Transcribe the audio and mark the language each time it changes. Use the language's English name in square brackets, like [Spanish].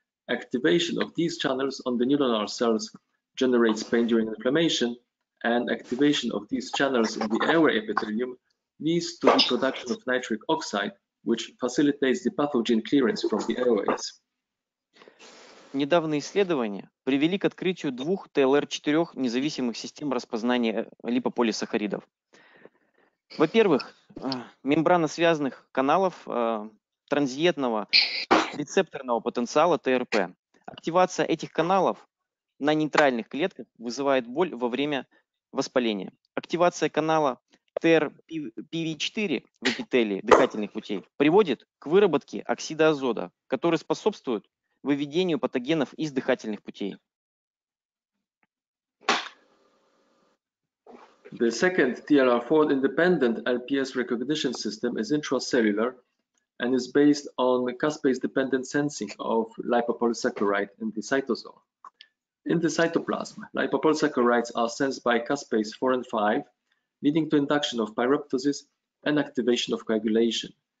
[English] Activation of these channels on the neuronal cells generates pain during inflammation, and activation of these channels in the airway epithelium leads to the production of nitric oxide, which facilitates the pathogen clearance from the airways. [Russian] Недавние исследования привели к открытию двух TLR4 независимых систем распознания липополисахаридов. Во-первых, мембрана связанных каналов транзиентного рецепторного потенциала ТРП. Активация этих каналов на нейтральных клетках вызывает боль во время воспаления. Активация канала TRPV4 в эпителии дыхательных путей приводит к выработке оксида азота, который способствует выведению патогенов из дыхательных путей. [English] The second TLR4 independent LPS recognition system is intracellular and is based on caspase dependent sensing of lipopolysaccharide in the cytosol. In the cytoplasm, lipopolysaccharides are sensed by caspase 4 and 5, leading to induction of pyroptosis and activation of coagulation.